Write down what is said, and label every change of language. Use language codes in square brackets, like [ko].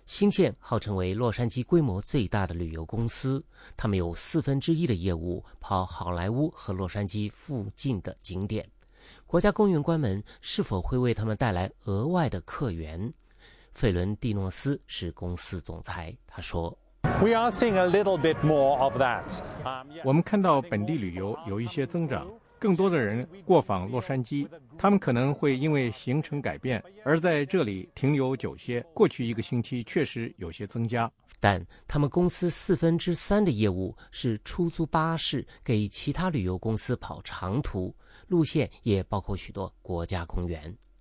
[zh] 新建号称为洛杉矶规模最大的旅游公司，他们有1/4的业务跑好莱坞和洛杉矶附近的景点。国家公园关门是否会为他们带来额外的客源？费伦蒂诺斯是公司总裁，他说， [en] We are seeing a little bit more of that. [zh] 我们看到本地旅游有一些增长，更多的人过访洛杉矶，他们可能会因为行程改变而在这里停留久些，过去一个星期确实有些增加。但他们公司3/4的业务是出租巴士给其他旅游公司跑长途，路线也包括许多国家公园。